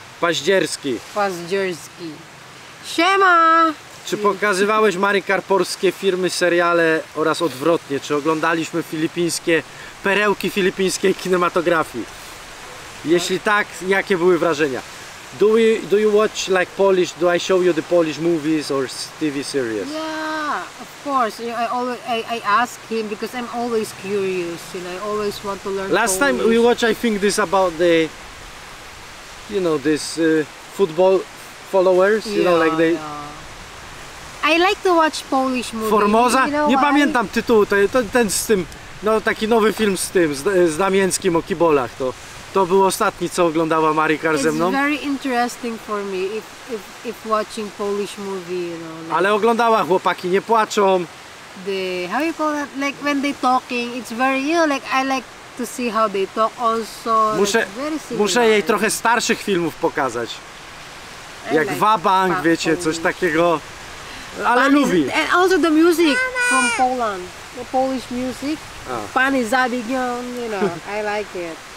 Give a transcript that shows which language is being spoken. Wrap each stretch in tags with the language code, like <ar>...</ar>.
<pl>Paździerski. Paździerski. Siema! Czy pokazywałeś Marikar polskie firmy, seriale oraz odwrotnie? Czy oglądaliśmy filipińskie perełki filipińskiej kinematografii? Jeśli tak, jakie były wrażenia?</pl> <en>Do you watch like Polish? Do I show you the Polish movies or TV series? Yeah, of course. You know, I ask him because I'm always curious. You know, I always want to learn. Last Polish. Time we watch, I think this about the, you know, this football followers. Yeah, you know, like they. Yeah. I like to watch Polish movies. Formoza? You know,</en> <pl>nie pamiętam tytułu, ten z tym, no taki nowy film z tym, z Damięckim o kibolach, to był ostatni, co oglądała Marikar ze mną.</pl> <en>It's very interesting for me if watching Polish movie, you know. Like,</en> <pl>ale oglądała Chłopaki nie płaczą.</pl> <en>The, how you call that, like when they talking, it's very, you know, like I like to see how they talk also.</en> <pl>Muszę jej trochę starszych filmów pokazać. Jak</pl> <en>like</en> <pl>Wabang, wiecie,</pl> <en>Polish.</en> <pl>Coś takiego. Ale Pan lubi.</pl> <en>Is, and also the music Mama. From Poland. The Polish music. Oh. Pani Zabigion, you know, I like it.</en>